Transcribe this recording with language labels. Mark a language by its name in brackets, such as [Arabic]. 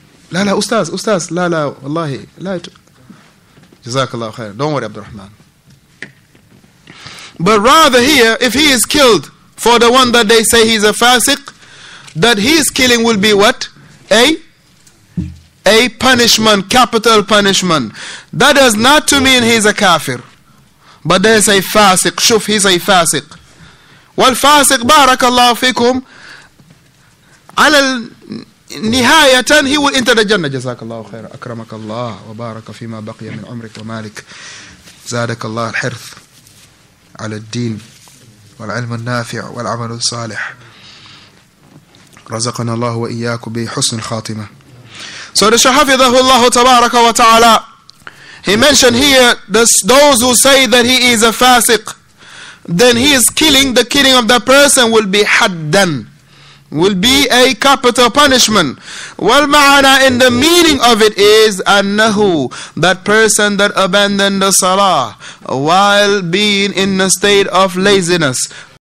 [Arabic] لا أستاذ لا والله لا جزاك الله خير. [English] Don't worry, Abdurrahman. But rather here, if he is killed for the one that they say he's a fasiq, that his killing will be what? A punishment, capital punishment. That does not to mean he's a kafir. But they say fasiq. Shuf, he's a fasiq. Well, fasiq, barakallahu fikum. [Arabic] على النهاية [English] he will enter the Jannah. [Arabic] جزاك الله خير أكرمك الله وبارك فيما بقي من عمرك ومالك زادك الله الحرث على الدين والعلم النافع والعمل الصالح رزقنا الله وإياك بحسن خاتمة. [English] So the Shah [Arabic] حفظه الله تبارك وتعالى, [English] he mentioned here those who say that he is a fasiq, then his killing, the killing of that person will be haddan. will be a capital punishment. Well, ma'ana, in the meaning of it is annahu, that person that abandoned the salah while being in a state of laziness,